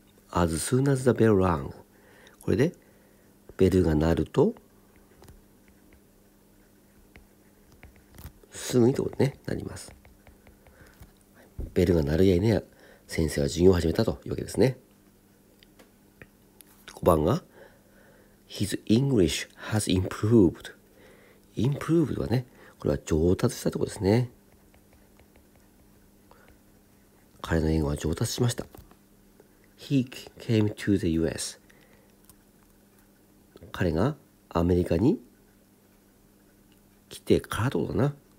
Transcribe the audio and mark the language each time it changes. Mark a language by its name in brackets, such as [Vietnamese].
[English] As soon as the bell rang、 [Japanese] これでベルが鳴るとすぐにってことね、なります。ベルが鳴るやいねや、先生は授業を始めたというわけですね。 [English] 5番が His English has improved。 [Japanese] Improved はね、これは上達したってことですね。彼の英語は上達しました。 [English] He came to the US。 [Japanese] 彼がアメリカに来てからってことだな。